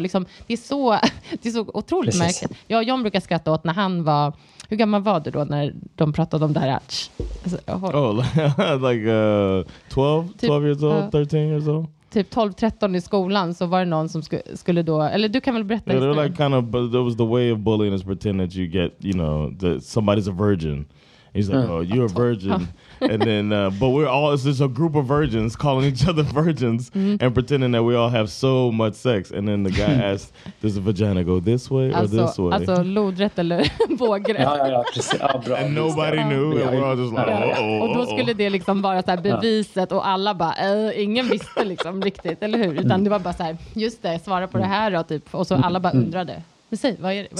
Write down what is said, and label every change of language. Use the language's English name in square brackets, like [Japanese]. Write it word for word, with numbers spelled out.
[Swedish] Liksom, det, är så, det är så otroligt Precis. märkligt. Jag och John brukar skratta åt när han var, hur gammal var du då när de pratade om det här? [English] Alltså, oh, like uh, twelve, typ, twelve years old, uh, thirteen years old? [Swedish] Typ [English] twelve thirteen [Swedish] i skolan, så var det någon som sku- skulle då, eller du kan väl berätta yeah, historien? [English] Like kind of, there was the way of bullying is pretend that you get, you know, that somebody's a virgin. He's like, oh, you're a virgin. And then, uh, but we're all, it's just a group of virgins calling each other virgins mm. and pretending that we all have so much sex. And then the guy asked, does the vagina go this way or [Swedish] alltså, [English] this way? [Swedish] Alltså lodrätt eller vågrätt. ja, ja, precis. Ja, bra. [English] And nobody knew. And we're all just like, [Swedish] ja, ja. [English] oh, oh, [Swedish] Och då skulle det liksom vara så här beviset, och alla bara, äh, ingen visste liksom riktigt, eller hur? Utan det var bara så här, just det, svara på det här då, typ. Och så alla bara undrade. Precis, vad är det? Vad